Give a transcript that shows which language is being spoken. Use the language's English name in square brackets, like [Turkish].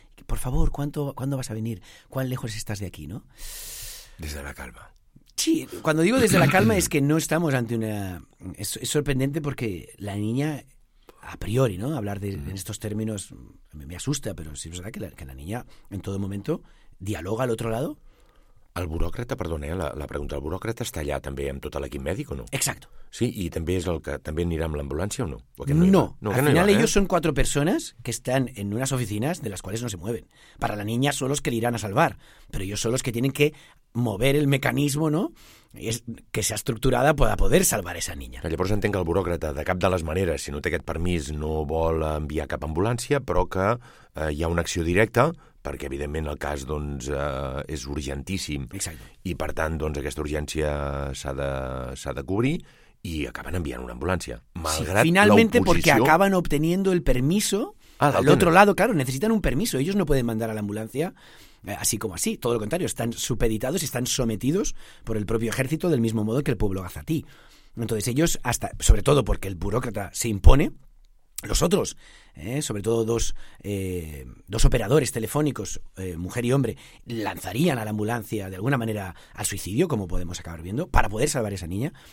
[Spanish] Por favor, ¿cuándo vas a venir? ¿Cuán lejos estás de aquí, no? Desde la calma. Sí, cuando digo desde la calma es que no estamos ante una... Es sorprendente porque la niña, a priori, ¿no?, hablar en estos términos me asusta, pero sí es verdad que la niña en todo momento dialoga al otro lado. [Catalan] El buròcrata, perdona, la pregunta, el buròcrata està allà també amb tot l'equip mèdic o no? Exacte. Sí, i també és el que també anirà amb l'ambulància o no? No, al final ells són 4 persones que estan en unes oficines de les quals no [Spanish] se mueven. [Catalan] Per a la niña són els que l'iran a salvar, però ells són els que [Spanish] tienen que mover el mecanismo, ¿no?, que sea estructurada para poder salvar a esa niña. [Catalan] Llavors entenc que el buròcrata, de cap de les maneres, si no té aquest permís, no vol enviar cap ambulància, però que hi ha una acció directa, perquè evidentment el cas, doncs, és urgentíssim. Exacte. I per tant, doncs, aquesta urgència s'ha de cobrir i acaben enviant una ambulància. Malgrat [Spanish] sí, finalmente porque acaban obteniendo el permiso. Al otro lado, claro, necesitan un permiso. Ellos no pueden mandar a la ambulancia así como así. Todo lo contrario, están supeditados y están sometidos por el propio ejército del mismo modo que el pueblo gazatí. Entonces ellos, hasta sobre todo porque el burócrata se impone, los otros, sobre todo dos operadores telefónicos, mujer y hombre, lanzarían a la ambulancia de alguna manera al suicidio, como podemos acabar viendo, para poder salvar a esa niña.